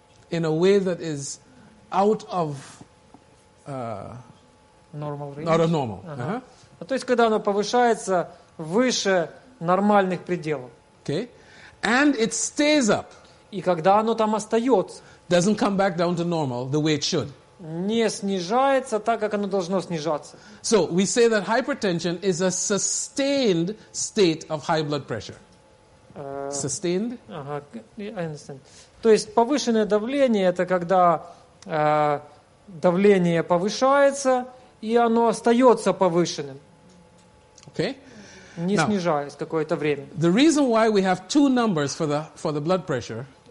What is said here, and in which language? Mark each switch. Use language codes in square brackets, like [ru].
[en] In a way that is out of normal range. Out of normal. Uh-huh. [ru] То есть когда оно повышается выше нормальных пределов. [en] Okay. And it stays up. [ru] И когда оно там остается. [en] Doesn't come back down to normal the way it should. [ru] Не снижается так, как оно должно снижаться. [en] So we say that hypertension is a sustained state of high blood pressure. Sustained? [ru] Ага, [en] I understand. [ru] То есть повышенное давление это когда давление повышается и оно остается повышенным. [en] Okay. [ru] Не [en] Now, [ru] снижаясь какое-то время. [en] The reason why we have two numbers for the blood pressure.